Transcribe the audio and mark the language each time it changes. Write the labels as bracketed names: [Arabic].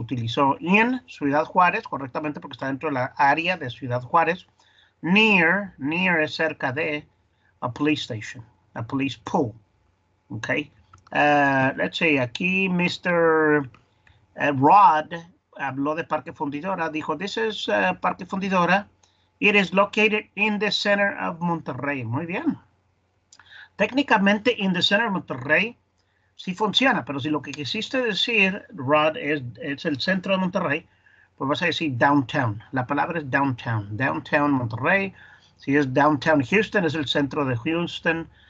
[Spanish] Utilizó in Ciudad Juárez, correctamente, porque está dentro de la área de Ciudad Juárez. [English] Near [Spanish] es cerca de [English] a police station, a police pool. Okay. Let's see, [Spanish] aquí Mr. Rod habló de Parque Fundidora. Dijo, this is Parque Fundidora. [English] It is located in the center of Monterrey. [Spanish] Muy bien. Técnicamente, [English] in the center of Monterrey [Spanish] sí funciona, pero si lo que quisiste decir, Rod, es el centro de Monterrey, pues vas a decir downtown. La palabra es downtown. Downtown Monterrey. Si es downtown Houston, es el centro de Houston.